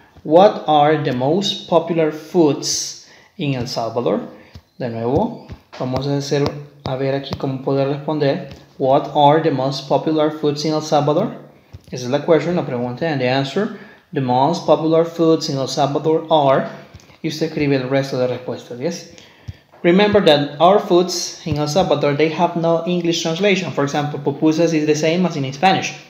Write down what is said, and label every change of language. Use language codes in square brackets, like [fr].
[en] What are the most popular foods in El Salvador? [es] De nuevo, vamos a hacer a ver aquí cómo poder responder. [en] What are the most popular foods in El Salvador? [es] Esa es la question, la pregunta, [en] and the answer. The most popular foods in El Salvador are. [es] Y usted escribe el resto de respuestas, ¿yes? [en] Remember that our foods in El Salvador, they have no English translation. For example, pupusas is the same as in Spanish.